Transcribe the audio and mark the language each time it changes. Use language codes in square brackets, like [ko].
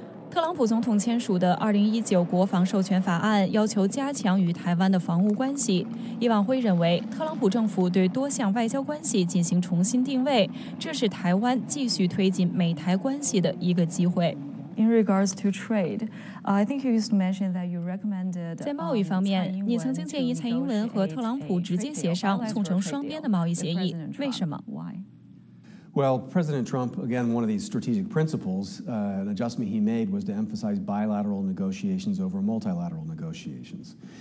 [zh] 特朗普总统签署的2019国防授权法案要求加强与台湾的防务关系。伊万辉认为，特朗普政府对多项外交关系进行重新定位，这是台湾继续推进美台关系的一个机会。 [en] In regards to trade, I think you just mentioned that you recommended. [zh] 在贸易方面，你曾经建议蔡英文和特朗普直接协商，促成双边的贸易协议。为什么 [en] ？Why? Well, President Trump, again, one of these strategic principles, an adjustment he made was to emphasize bilateral negotiations over multilateral negotiations.